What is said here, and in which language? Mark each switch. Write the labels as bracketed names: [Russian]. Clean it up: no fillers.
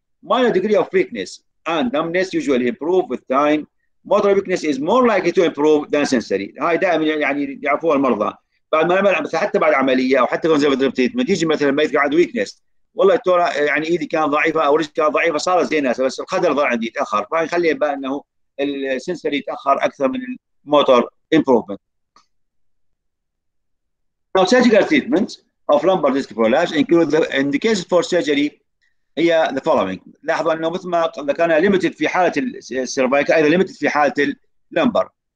[English] Minor degree of weakness and numbness usually improve with time. Moderate weakness is more likely to improve than sensory. [Arabic] هاي دائما يعني يعرفوها المرضى بعد ما نعمل حتى بعد عمليه او حتى conservative treatment يجي مثلا الميت قاعد weakness. والله ترى يعني ايدي كان ضعيفه او رجلي كان ضعيفه صارت زينه بس الخدر ضاع عندي تاخر فخلي بقى انه السنسري يتاخر اكثر من الموتور امبروفمنت. [English] Now surgical treatment of lumbar disc prolapse include the indications for surgery هي the following. [Arabic] لاحظوا انه مثل ما ذكرنا ليمتد في حاله السيرفايكا ايضا ليمتد في حاله اللمبر.